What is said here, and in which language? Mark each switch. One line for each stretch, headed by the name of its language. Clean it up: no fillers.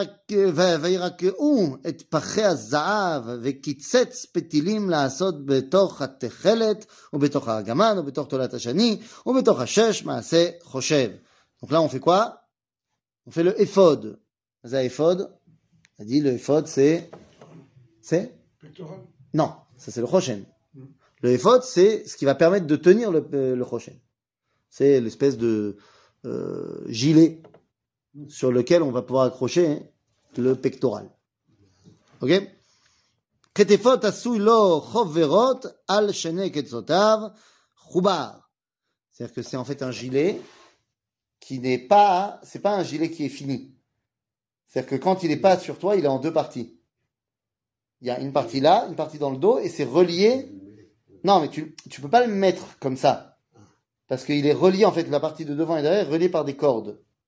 Hebrew: ויראו את פחי הזהב וקיצץ פתילים לעשות בתוך התחלת ובתוך הארגמן ובתוך תולת השני ובתוך השש מעשה חושב.
French: Donc là on fait quoi? On fait le ephod.
Hebrew: זה
French: ephod?
Hebrew: אני
French: dit le ephod c'est? Pétora. Non, ça c'est le choshen. Le ephod c'est ce qui va permettre de tenir le choshen. C'est l'espèce de gilet sur lequel on va pouvoir accrocher le pectoral. Ok ?
Hebrew: כתפות עשוי לו חוברות על שני קצותיו חובר.
French: C'est-à-dire que c'est en fait un gilet qui n'est pas, c'est pas un gilet qui est fini. C'est-à-dire que quand il n'est pas sur toi, il est en deux parties. Il y a une partie là, une partie dans le dos, et c'est relié. Non, mais tu peux pas le mettre comme ça. Parce qu'il est relié, en fait, la partie de devant et derrière, relié par des cordes.